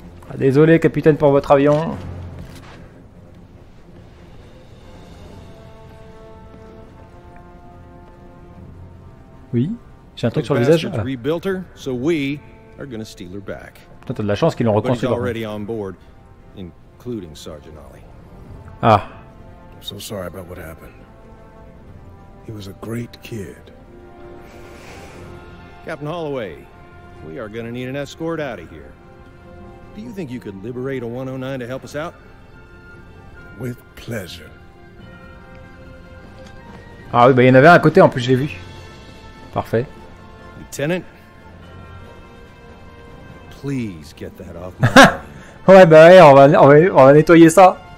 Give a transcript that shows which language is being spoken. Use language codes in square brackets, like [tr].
[fr] Ah, désolé, capitaine, pour votre avion. Oui. J'ai un truc sur le visage. [en] Ah. Rebuilt her, so we are gonna steal her back. [fr] Putain, t'as de la chance qu'ils l'ont reconstruit. [en] But he's already on board, including Sergeant Ollie. Ah. I'm so sorry about what happened. He was a great kid. Captain Holloway, we are gonna need an escort out of here. Do you think you could liberate a 109 to help us out? With pleasure. [fr] Ah oui, bah il y en avait un à côté en plus, je l'ai vu. Parfait. [en] Lieutenant, please get that off my body. [fr] Ouais, bah ouais, on va nettoyer ça.